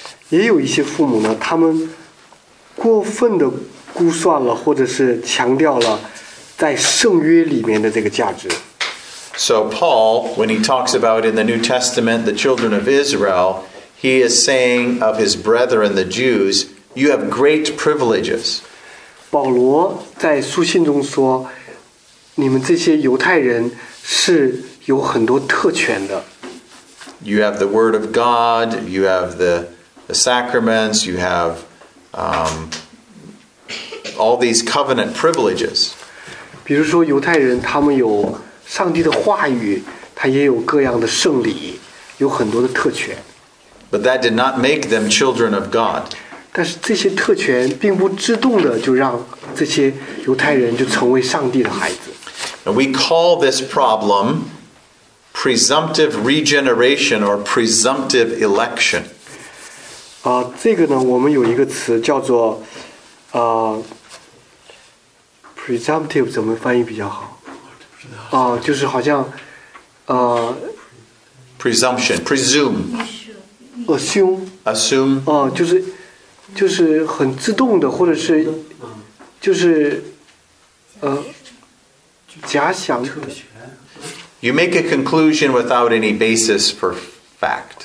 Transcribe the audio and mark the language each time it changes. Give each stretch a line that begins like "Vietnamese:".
Chinese: 也有一些父母呢，他们过分的估算了，或者是强调了在圣约里面的这个价值。
English: So Paul, when he talks about in the New Testament the children of Israel, he is saying of his brethren the Jews, you have great privileges.
Chinese: 保罗在书信中说。你们这些犹太人是有很多特权的。
English: You have the word of God, you have the sacraments, you have all these covenant privileges.
Chinese: 比如说犹太人他们有上帝的话语，他也有各样的圣礼，有很多的特权。
English: But that did not make them children of God.
Chinese: 但是这些特权并不自动的就让这些犹太人就成为上帝的孩子。
English: And we call this problem presumptive regeneration or presumptive election.
Chinese: 这个呢，我们有一个词叫做presumptive 怎么翻译比较好？就是好像
English: presumption, presume, assume, assume.
Chinese: 就是就是很自动的，或者是就是假想的。
English: You make a conclusion without any basis for fact.